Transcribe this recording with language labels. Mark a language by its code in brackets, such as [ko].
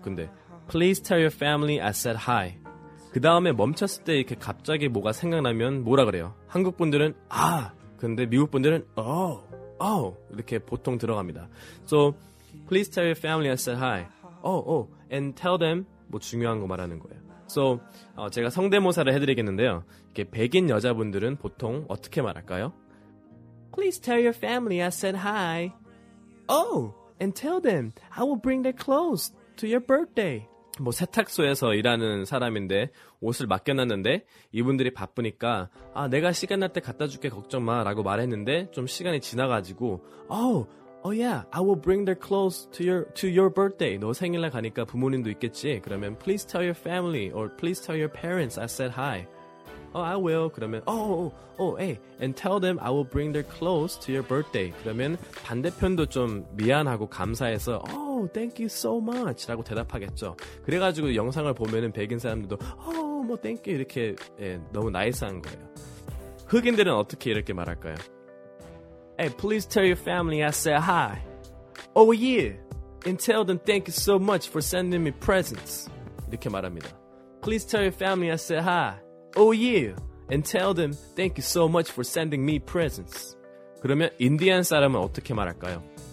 [en] 근데 Please tell your family I said hi. [ko] 그 다음에 멈췄을 때 이렇게 갑자기 뭐가 생각나면 뭐라 그래요? 한국 분들은 아, 근데 미국 분들은 oh, oh 이렇게 보통 들어갑니다. [en] So please tell your family I said hi. Oh, oh, and tell them [ko] 뭐 중요한 거 말하는 거예요. So 제가 성대모사를 해드리겠는데요. 이렇게 백인 여자분들은 보통 어떻게 말할까요? [en] Please tell your family I said hi. Oh, and tell them I will bring their clothes to your birthday. [ko] 뭐 세탁소에서 일하는 사람인데 옷을 맡겨놨는데 이분들이 바쁘니까 아 내가 시간 날 때 갖다 줄게 걱정 마 라고 말했는데 좀 시간이 지나가지고 [en] Oh yeah, I will bring their clothes to your birthday. [ko] 너 생일날 가니까 부모님도 있겠지. [en] 그러면 please tell your family or please tell your parents I said hi. Oh, I will. 그러면 hey, and tell them I will bring their clothes to your birthday. [ko] 그러면 반대편도 좀 미안하고 감사해서 [en] Oh, thank you so much [ko] 라고 대답하겠죠. 그래가지고 영상을 보면은 백인 사람들도 Oh, 뭐 thank you 이렇게 예, 너무 나이스한 거예요. 흑인들은 어떻게 이렇게 말할까요? [en] Hey, please tell your family I said hi. Oh yeah, and tell them thank you so much for sending me presents. [ko] 이렇게 말합니다. [en] Please tell your family I said hi. Oh yeah, and tell them thank you so much for sending me presents. [ko] 그러면 인디안 사람은 어떻게 말할까요?